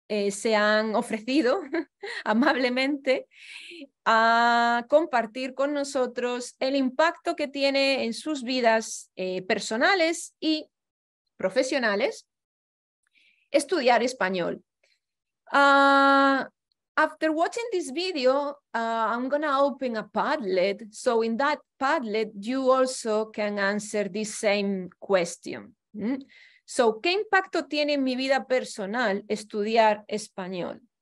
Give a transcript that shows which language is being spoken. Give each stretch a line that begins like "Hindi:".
Spanish: Se han ofrecido amablemente a compartir con nosotros el impacto que tiene en sus vidas personales y profesionales estudiar español.
English: After watching this video, I'm going to open a Padlet. So in that Padlet, you also can answer this same question. Mm-hmm.
Spanish: So, ¿qué impacto tiene en mi vida personal estudiar español?